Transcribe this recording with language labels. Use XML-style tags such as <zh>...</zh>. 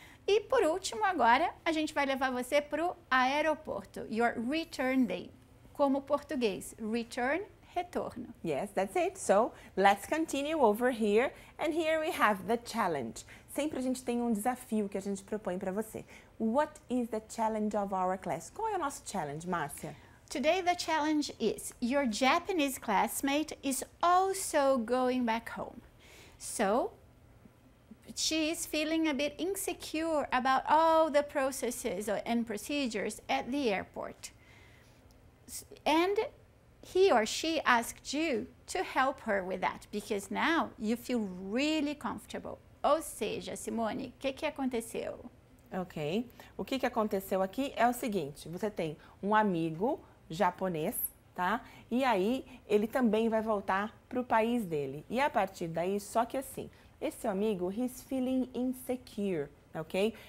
<pt>E, por último, agora, a gente vai levar você para o aeroporto,</pt> <en>your return day,</en> <pt>como português, return, retorno.</pt> <en>Yes, that's it. So, let's continue over here. And here we have the challenge.</en> <pt>Sempre a gente tem um desafio que a gente propõe para você.</pt> <en>What is the challenge of our class?</en> <pt>Qual é o nosso challenge,</pt> <en>Márcia? Today the challenge is, your Japanese classmate is also going back home. So, she is feeling a bit insecure about all the processes and procedures at the airport. And he or she asked you to help her with that, because now you feel really comfortable.</en> <pt>Ou seja, Simone, que aconteceu? Ok, o que aconteceu aqui é o seguinte, você tem um amigo japonês, tá? E aí ele também vai voltar para o país dele. E a partir daí, só que assim, esse amigo,</pt> <en>he's feeling insecure,</en> <pt>ok?</pt>